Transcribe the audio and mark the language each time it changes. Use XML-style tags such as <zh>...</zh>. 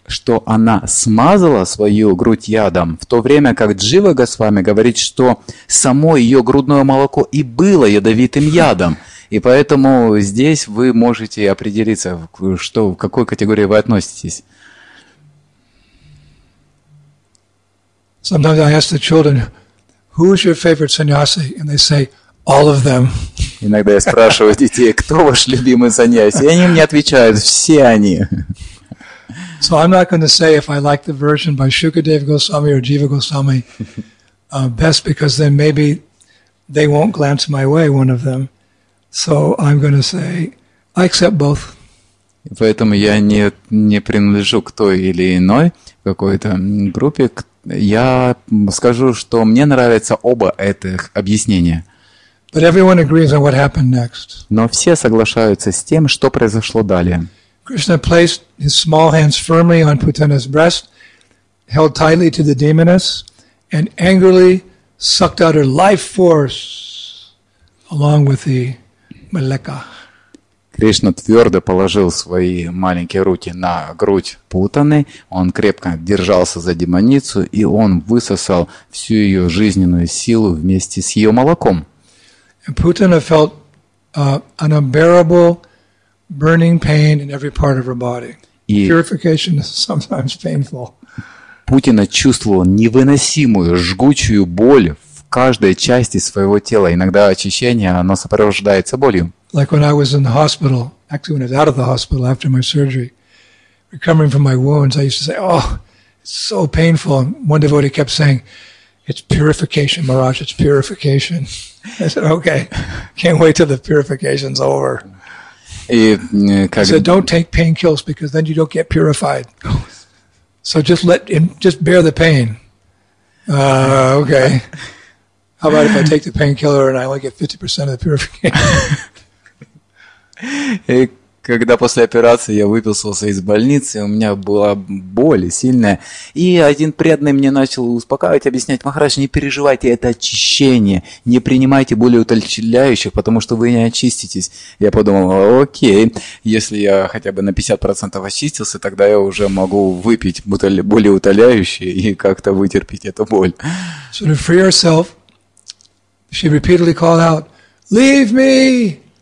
<ru>Что она смазала свою грудь ядом, в то время как Джива Госвами говорит, что само ее грудное молоко и было ядовитым ядом. И поэтому здесь вы можете определиться, что, в какой категории вы относитесь.</ru> <en>Sometimes I ask the children, who is your favorite sannyasi? And they say, all of them.</en> <ru>Иногда я спрашиваю детей, кто ваш любимый саньяси? И они мне отвечают, все они.</ru> <en>So I'm not going to say if I like the version by Shukadev Goswami or Jiva Goswami best, because then maybe they won't glance my way, one of them. So I'm going to say, I accept both.</en> <ru>Поэтому я не принадлежу к той или иной какой-то группе. Я скажу, что мне нравятся оба этих объяснения.</ru> <en>But everyone agrees on what happened next.</en> <ru>Но все соглашаются с тем, что произошло далее.</ru> <en>Krishna placed his small hands firmly on Putana's breast, held tightly to the demoness, and angrily sucked out her life force along with the malika.</en> <ru>Кришна твердо положил свои маленькие руки на грудь Путаны. Он крепко держался за демоницу, и он высосал всю ее жизненную силу вместе с ее молоком.</ru> <en>And Putana felt an unbearable burning pain in every part of her body. Purification is sometimes painful.</en> <ru>Путина чувствовал невыносимую жгучую боль в каждой части своего тела. Иногда очищение, оно сопровождается болью.</ru> <en>Like when I was in the hospital actually when I was out of the hospital after my surgery, recovering from my wounds, I used to say, oh, it's so painful. And one devotee kept saying, it's purification, Maharaj, it's purification. I said, okay, can't wait till the purification's over.</en> <ru>И, как...</ru> <en>I said, don't take pain kills because then you don't get purified. So just let him, just bear the pain. Okay. How about if I take the painkiller and I only get 50% of the purification?</en> <ru>И когда после операции я выписался из больницы, у меня была боль сильная. И один преданный мне начал успокаивать, объяснять, Махарадж, не переживайте, это очищение. Не принимайте более утолщающих, потому что вы не очиститесь. Я подумал, окей, если я хотя бы на 50% очистился, тогда я уже могу выпить более утоляющие и как-то вытерпеть эту боль.</ru> <en>So to free herself, she repeatedly called out, leave me!</en>